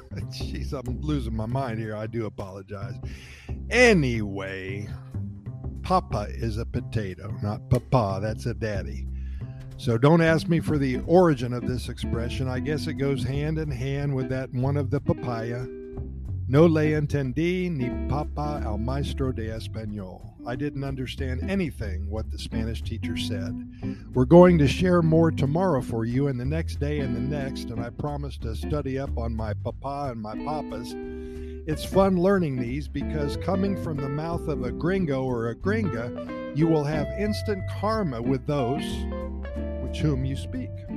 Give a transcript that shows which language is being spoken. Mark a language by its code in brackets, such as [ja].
[en] Jeez, I'm losing my mind here. I do apologize. Anyway, Papa is a potato, not Papa. That's a daddy. So don't ask me for the origin of this expression. I guess it goes hand in hand with that one of the papaya. [es] No le entendí ni Papa al maestro de español. [en] I didn't understand anything what the Spanish teacher said. We're going to share more tomorrow for you and the next day and the next, and I promise to study up on my papa and my papas. It's fun learning these because coming from the mouth of a gringo or a gringa, you will have instant karma with those with whom you speak.